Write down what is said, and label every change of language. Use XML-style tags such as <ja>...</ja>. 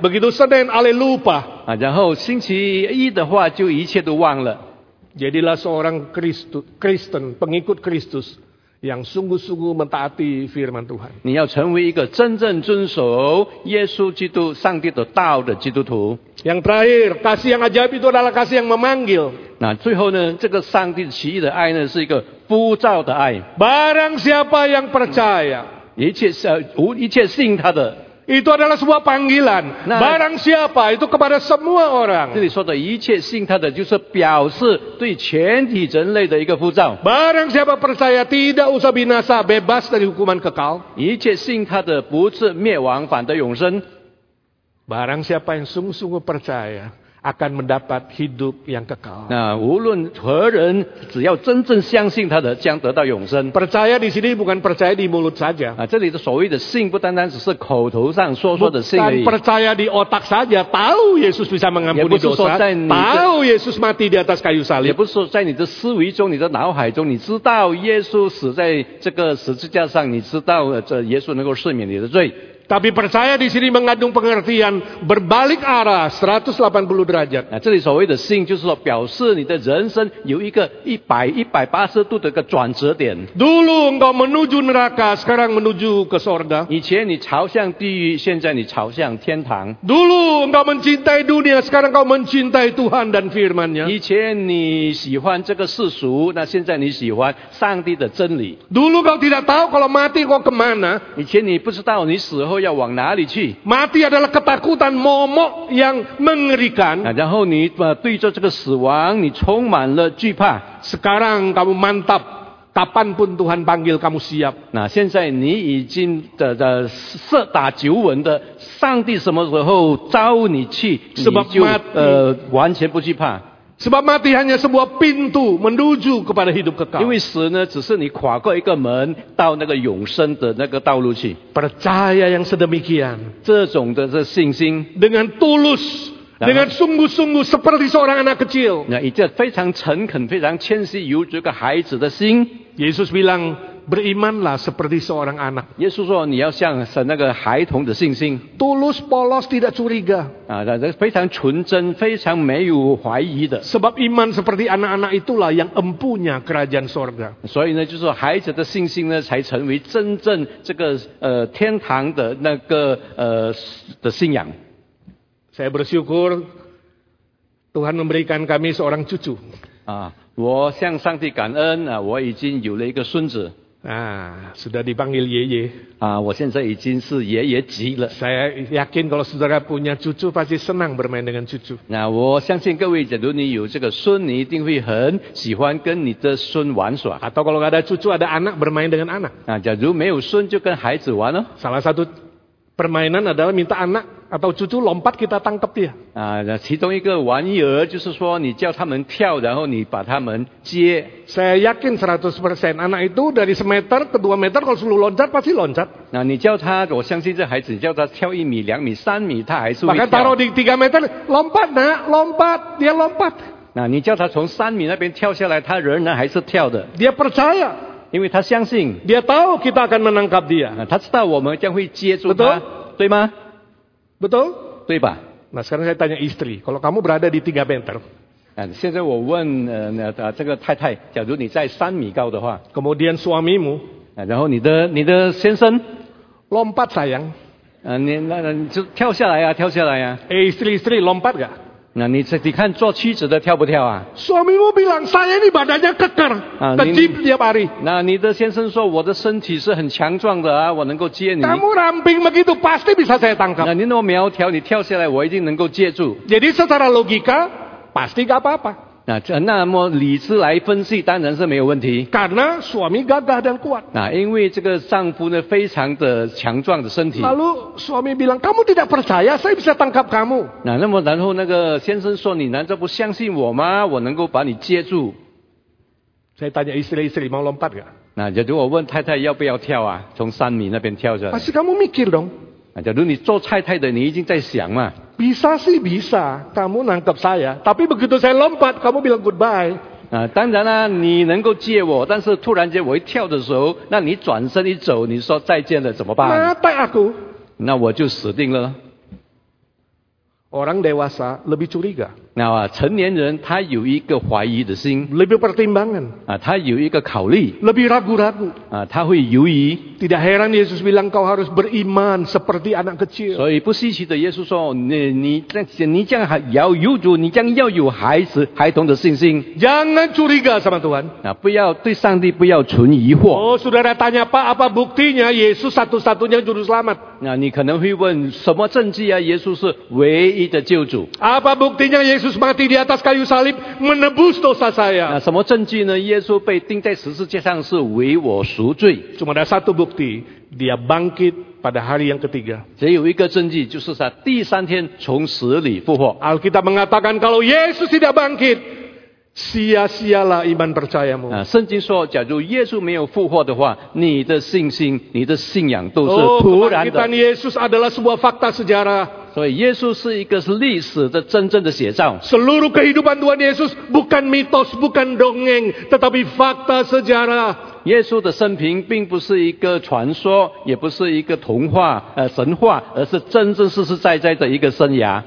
<id>Begitu Senin Alelupa.</id> <zh>然后星期一的话就一切都忘了。</zh> <id>Jadilah seorang Kristen, pengikut Kristus. Yang sungguh-sungguh mentaati firman Tuhan.</id> <zh>你要成为一个真正遵守耶稣基督上帝的道的基督徒。</zh> <id>Yang terakhir, kasih yang ajaib itu adalah kasih yang memanggil.</id> <zh>那最后呢，这个上帝奇异的爱呢，是一个呼召的爱。</zh> <id>Barang siapa yang percaya,</id> <zh>一切信他的。</zh> <id>Itu adalah sebuah panggilan. Barang siapa itu kepada semua orang.</id> <zh>这里说的一切信他的，就是表示对全体人类的一个呼召。</zh> <id>Barang siapa percaya tidak usah binasa, bebas dari hukuman kekal.</id> <zh>一切信他的不是灭亡，反得永生。</zh> <id>Barang siapa yang sungguh-sungguh percaya akan mendapat hidup yang kekal.</id> <zh>那无论何人，只要真正相信他的，将得到永生。</zh> <id>Percaya di sini bukan percaya di mulut saja.</id> <zh>这里的所谓的信，不单单只是口头上说的信而已。</zh> <id>Bukan percaya di otak saja, tahu Yesus bisa mengampuni dosa, tahu Yesus mati di atas kayu salib.</id> <zh>也不是说在你的思维中、你的脑海中，你知道耶稣死在这个十字架上，你知道这耶稣能够赦免你的罪。</zh> <id>Tapi percaya di sini mengandung pengertian berbalik arah 180 derajat.</id> <zh>这里所谓的信就是说表示你的人生有一个180度的一个转折点。</zh> <id>Dulu engkau menuju neraka, sekarang menuju ke sorga.</id> <zh>以前你朝向地狱，现在你朝向天堂。</zh> <id>Dulu engkau mencintai dunia, sekarang engkau mencintai Tuhan dan firman-Nya.</id> <zh>以前你喜欢这个世俗，那现在你喜欢上帝的真理。</zh> <id>Dulu engkau tidak tahu kalau mati kau kemana.</id> <zh>以前你不知道你死后要往哪里去？</zh> <id>Mati adalah ketakutan momok yang mengerikan.</id> <zh>然后你对着这个死亡，你充满了惧怕。</zh> <id>Sekarang kamu mantap, kapanpun Tuhan panggil kamu siap.</id> <zh>那现在你已经设打九稳的，上帝什么时候召你去，</zh> <id>sebab、</id> <zh>你就完全不惧怕。</zh> <id>Sebab mati hanya sebuah pintu menuju kepada hidup kekal.</id> <zh>因为死呢，只是你跨过一个门到那个永生的那个道路去。</zh> <id>Percaya yang sedemikian,</id> <zh>这种的这信心</zh> <id>dengan tulus, dengan sungguh-sungguh seperti seorang anak kecil.</id> <zh>那以这非常诚恳、非常谦虚、犹如个孩子的心。</zh> <id>Yesus bilang berimanlah seperti seorang anak.</id> <zh>耶稣说你要像那个孩童的信心。</zh> <id>Tulus, polos, tidak curiga.</id> <zh>非常纯真，非常没有怀疑的。</zh> <id>Sebab iman seperti anak-anak itulah yang empunya kerajaan sorga.</id> <zh>所以呢，就是说孩子的信心呢，才成为真正这个天堂的那个的信仰。</zh> <id>Saya bersyukur Tuhan memberikan kami seorang cucu.</id> <zh>我向上帝感恩，我已经有了一个孙子。</zh> <id>sudah dipanggil Yeye.</id> <zh>我现在已经是爷爷级了。</zh> <id>Saya yakin kalau saudara punya cucu pasti senang bermain dengan cucu.</id> <zh>我相信各位，假如你有这个孙，你一定会很喜欢跟你的孙玩耍。</zh> <id>Atau kalau ada cucu ada anak bermain dengan anak.</id> <zh>假如没有孙就跟孩子玩哦。</zh> <id>Salah satu permainan adalah minta anak atau cucu lompat kita tangkap dia.</id> <zh>其中一个玩意儿就是说你叫他们跳，然后你把他们接。</zh> <id>Saya yakin 100% anak itu dari 1 meter ke 2 meter kalau selalu loncat pasti loncat.</id> <zh>你叫他，我相信这孩子，你叫他跳1米、2米、3米，他还是会跳。</zh> <id>Maka taruh di 3 meter, lompat nak, lompat, dia lompat.</id> <zh>你叫他从3米那边跳下来，他仍然还是跳的。</zh> <id>Dia percaya.</id> <zh>因为他相信</zh> <id>dia tahu kita akan menangkap dia.</id> <zh>他知道我们将会接住他。</zh> <id>Betul?</id> <zh>对吗</zh> <id>Betul?</id> <zh>对吧</zh> <id>Nah, sekarang saya tanya istri, kalau kamu berada di 3 meter,</id> <zh>现在我问这个太太，假如你在3米高的话，</zh> <id>kemudian suamimu,</id> <zh>然后你的先生</zh> <id>lompat sayang,</id> <zh>就跳下来啊，跳下来啊。</zh> <id>Eh, istri, lompat gak?</id> <zh>你看做妻子的跳不跳啊？</zh> <id>Suamimu bilang saya ini badannya kekar, tajib tiap hari.</id> <zh>那你的先生说我的身体是很强壮的啊，我能够接你。</zh> <id>Kamu ramping begitu pasti bisa saya tangkap.</id> <zh>你那么苗条，你跳下来我一定能够接住。</zh> <id>Jadi secara logika pasti gak apa-apa.</id> <zh>那么理智来分析当然是没有问题。</zh> <id>Karena suami gagah dan kuat.</id> <zh>因为这个丈夫呢非常的强壮的身体。</zh> <id>Lalu suami bilang kamu tidak percaya saya bisa tangkap kamu.</id> <zh>那么然后那个先生说你难道不相信我吗？我能够把你接住。</zh> <id>Saya tanya istri mau lompat gak?</id> <zh>假如我问太太要不要跳啊，从三米那边跳下来。</zh> <id>Pasti kamu mikir dong.</id> <zh>假如你做太太的你一定在想嘛。</zh> <id>Bisa sih bisa, kamu nangkep saya. Tapi begitu saya lompat, kamu bilang goodbye.</id> <zh>当然啦，你能够接我，但是突然间我一跳的时候，那你转身一走，你说再见了怎么办？</zh> <id>Mati aku.</id> <zh>那我就死定了。</zh> <id>Orang dewasa lebih curiga.</id> <zh>成年人他有一个怀疑的心。</zh> <id>Lebih pertimbangan.</id> <zh>他有一个考虑。</zh> <id>Lebih ragu-ragu.</id> <zh>他会犹疑。</zh> <id>Tidak heran Yesus bilang kau harus beriman seperti anak kecil.</id> <zh>所以不稀奇的耶稣说你这样要有主，你这样要有孩童的信心。</zh> <id>Jangan curiga sama Tuhan.</id> <zh>不要对上帝不要存疑惑。</zh> <id>Oh, saudara tanya Pak, apa buktinya Yesus satu-satunya juru selamat.</id> <zh>你可能会问什么证据啊，耶稣是唯一的救主。</zh> <id>Apa buktinya Yesus mati di atas kayu salib menebus dosa saya?</id> <zh>什么证据呢？耶稣被钉在十字架上是为我赎罪。</zh> <id>Cuma ada satu bukti, dia bangkit pada hari yang ketiga.</id> <zh>只有一个证据，就是他第三天从死里复活。</zh> <id>Alkitab mengatakan kalau Yesus tidak bangkit, sia-sialah iman percayamu.</id> <zh>圣经说，假如耶稣没有复活的话，你的信心、你的信仰都是徒然的。</zh> <id>Kebangkitan Yesus adalah sebuah fakta sejarah.</id> <zh>所以耶稣是一个历史的真正的写照。</zh> <id>Seluruh kehidupan Tuhan Yesus bukan mitos, bukan dongeng, tetapi fakta sejarah.</id> <zh>耶稣的生平并不是一个传说，也不是一个童话、神话，而是真正实实在在的一个生涯。</zh>